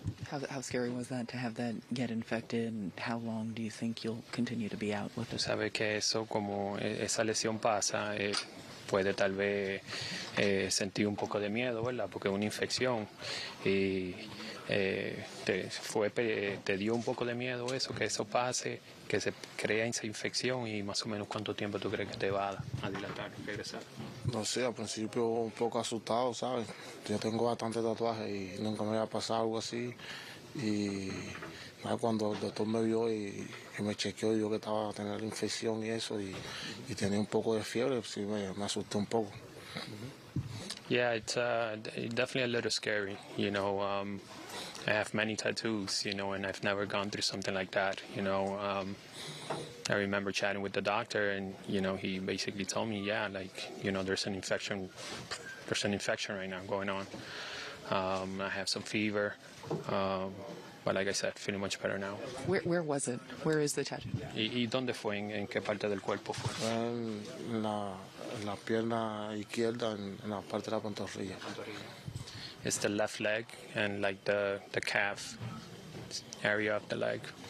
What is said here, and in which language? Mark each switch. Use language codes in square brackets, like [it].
[en] How scary was that to have that get infected? And how long do you think you'll continue to be out with it? [es] Sabes que eso, como esa lesión pasa, puede tal vez sentir un poco de miedo, ¿verdad? Porque una infección y te dio un poco de miedo eso, que eso pase, que se crea esa infección y más o menos cuánto tiempo tú crees que te va a dilatar, regresar. No sé, al principio un poco asustado, ¿sabes? Yo tengo bastante tatuaje y nunca me había pasado algo así. Y ¿sabes? Cuando el doctor me vio y me chequeó y vio que estaba a tener la infección y eso, y tenía un poco de fiebre, sí me asustó un poco. [en] Yeah, it's definitely a little scary, you know. I have many tattoos, you know, and I've never gone through something like that, you know. I remember chatting with the doctor, and, you know, he basically told me, yeah, like, you know, there's an infection right now going on. I have some fever, but like I said, feeling much better now. Where was it? Where is the tattoo? [es] ¿Y dónde fue? ¿En qué parte del cuerpo fue? La pierna izquierda, en la parte de la pantorrilla. [en] It's the left leg and like the calf area of the leg.